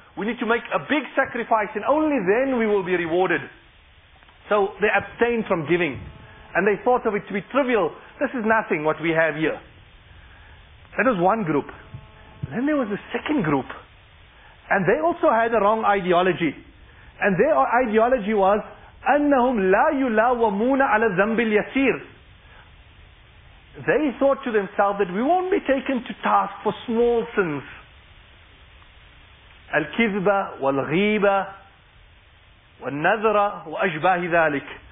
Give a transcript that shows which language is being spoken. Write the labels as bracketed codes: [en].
[en] We need to make a big sacrifice, and only then we will be rewarded. So they abstained from giving, and they thought of it to be trivial. This is nothing what we have here. That was one group. Then there was a second group, and they also had a wrong ideology. And their ideology was, [ar] أَنَّهُمْ لَا يُلَاوَمُونَ عَلَى ذَنْبِ الْيَسِيرِ. [en] They thought to themselves that we won't be taken to task for small sins. [ar] الكذبة والغيبة والنذرة وأشباه ذلك.